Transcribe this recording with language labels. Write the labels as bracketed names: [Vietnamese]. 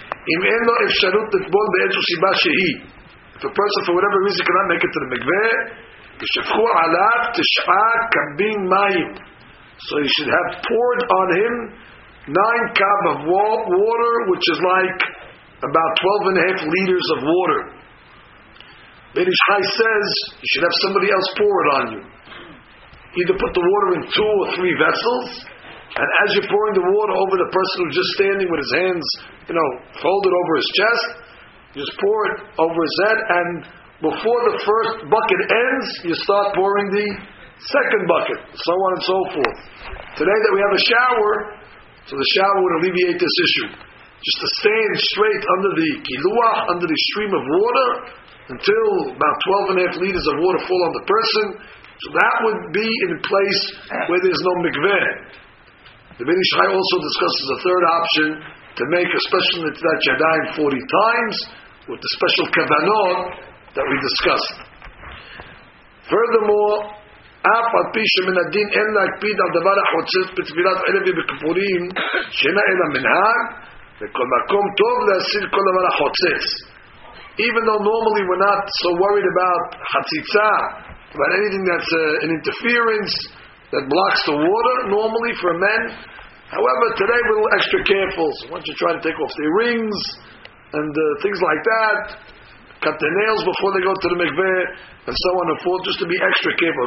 [Hebrew] אם אין לו אפשרות לטבול באיזו סיבה שהיא, [English] the person for whatever reason cannot make it to the [Hebrew] מקווה, ישפכו עליו תשעה קבין מים. [English] So he should have poured on him 9 cup of water, which is like about 12 and a half liters of water. Beit Yishai says you should have somebody else pour it on you. Either put the water in 2 or 3 vessels, and as you're pouring the water over the person who's just standing with his hands, you know, folded over his chest, just pour it over his head, and before the first bucket ends, you start pouring the second bucket, so on and so forth. Today that we have a shower, so the shower would alleviate this issue. Just to stand straight under the kiluach, under the stream of water, until about 12 and a half liters of water fall on the person. So that would be in a place where there's no mikveh. The Beit Yishai also discusses a third option, to make a special netilat yadayim 40 times, with the special kavanot that we discussed. Furthermore, [Hebrew] אף על פי שמן הדין אין להקפיד על דבר החוצץ בתפילת ערב ובכיפורים שאינה אלא מנהג, וכל מקום טוב להסיר כל דבר החוצץ. [English] Even though normally we're not so worried about חציצה, about anything that's an interference that blocks the water normally for men, however today we're a little extra careful. So once you try to take off their rings and things like that, cut their nails before they go to the mikveh, and so on and forth, just to be extra careful.